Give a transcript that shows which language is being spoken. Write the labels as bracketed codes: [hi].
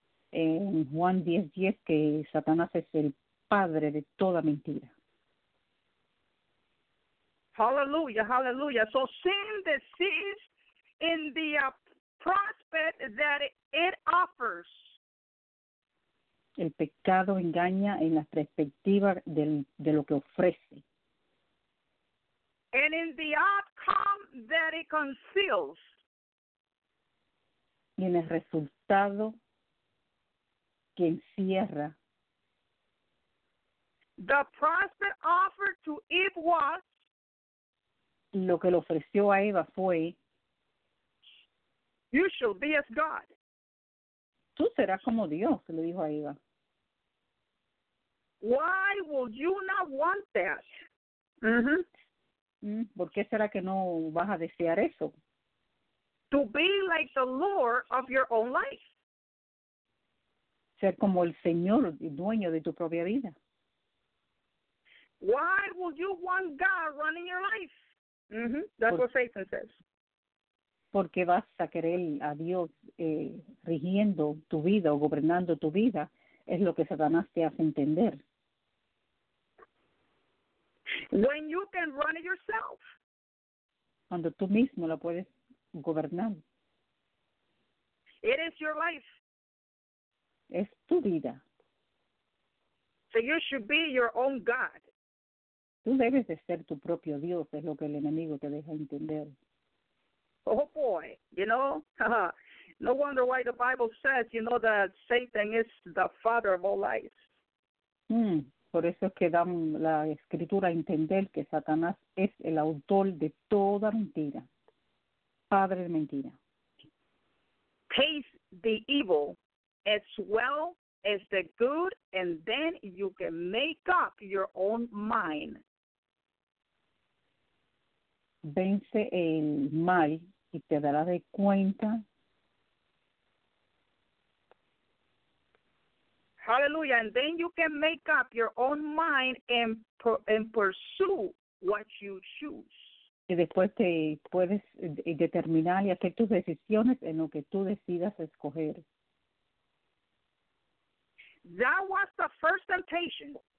[es] En Juan 10:10 que Satanás es el padre de toda mentira. [en] Hallelujah, hallelujah. So sin deceives in the prospect that it offers. [es] El pecado engaña en la perspectiva de lo que ofrece. [en] And in the outcome that it conceals. [es] Y en el resultado que encierra. [en] The prospect offered to Eve was. [es] Lo que le ofreció a Eva fue. [en] You shall be as God. [es] Tú serás como Dios, le dijo a Eva. [en] Why would you not want that? Mm-hmm. [es] ¿Por qué será que no vas a desear eso? [en] to be like the Lord of your own life. [es] Ser como el Señor, el dueño de tu propia vida. [en] Why would you want God running your life? That's what Satan says. [es] Porque vas a querer a Dios rigiendo tu vida o gobernando tu vida, es lo que Satanás te hace entender. [en] When you can run it yourself. [es] Cuando tú mismo la puedes gobernar. [en] It is your life. [es] Es tu vida. [en] So you should be your own God. [es] Tú debes de ser tu propio Dios, es lo que el enemigo te deja entender. [en] Oh boy, you know, no wonder why the Bible says, you know, that Satan is the father of all lies. [es] Por eso es que da la escritura a entender que Satanás es el autor de toda mentira, padre de mentira. [en] Taste the evil as well as the good, and then you can make up your own mind. [es] Vence el mal y te darás de cuenta. [en] Hallelujah. And then you can make up your own mind and pursue what you choose. [es] Y después te puedes determinar y hacer tus decisiones en lo que tú decidas escoger. [en] That was the first temptation.